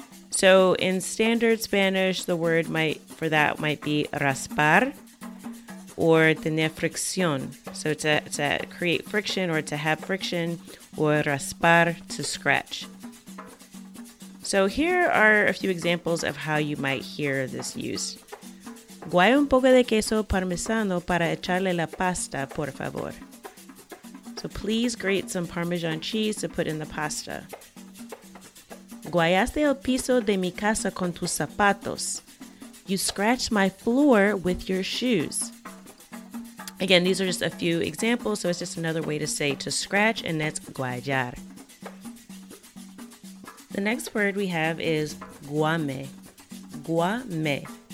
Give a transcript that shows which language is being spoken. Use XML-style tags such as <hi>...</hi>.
<en>So in standard Spanish, the word might for that might be raspar or tener fricción. So to create friction or to have friction, or raspar, to scratch. So here are a few examples of how you might hear this use.</en> <es>Guaya un poco de queso parmesano para echarle la pasta, por favor.</es> <en>So please grate some Parmesan cheese to put in the pasta.</en> <es>Guayaste el piso de mi casa con tus zapatos.</es> <en>You scratched my floor with your shoes. Again, these are just a few examples, so it's just another way to say to scratch, and that's guayar. The next word we have is guame, guame.</en>